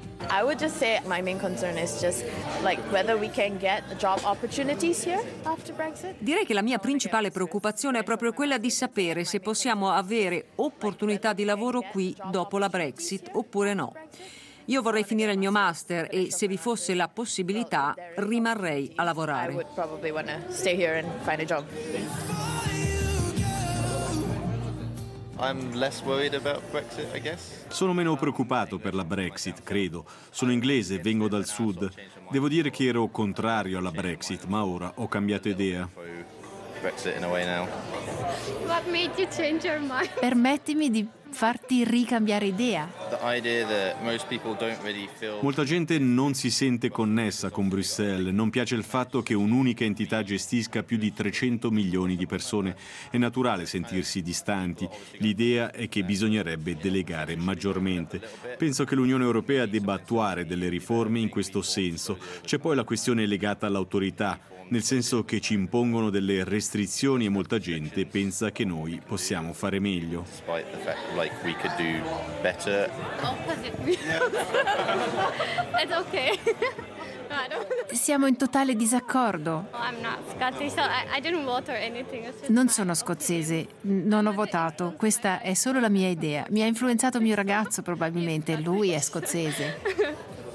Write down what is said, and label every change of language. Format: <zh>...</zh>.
<en>I would just say my main concern is just like whether we can get job opportunities here after Brexit.</en> <it>Direi che la mia principale preoccupazione è proprio quella di sapere se possiamo avere opportunità di lavoro qui dopo la Brexit oppure no. Io vorrei finire il mio master e se vi fosse la possibilità rimarrei a lavorare.</it> <en>I would probably want to stay here and find a job. I'm less worried about Brexit, I guess.</en> <it>Sono meno preoccupato per la Brexit, credo. Sono inglese, vengo dal sud. Devo dire che ero contrario alla Brexit, ma ora ho cambiato idea.</it> <en>What made you change your mind?</en> <it>Permettimi di farti ricambiare idea. Molta gente non si sente connessa con Bruxelles. Non piace il fatto che un'unica entità gestisca più di 300 milioni di persone. È naturale sentirsi distanti. L'idea è che bisognerebbe delegare maggiormente. Penso che l'Unione Europea debba attuare delle riforme in questo senso. C'è poi la questione legata all'autorità, nel senso che ci impongono delle restrizioni e molta gente pensa che noi possiamo fare meglio.</it> <en>Like we could do better. Opposite. It's okay.</en> <it>Siamo in totale disaccordo.</it> <en>I'm not Scottish, so I didn't vote or anything.</en> <it>Non sono scozzese, non ho votato. Questa è solo la mia idea. Mi ha influenzato mio ragazzo, probabilmente. Lui è scozzese.</it>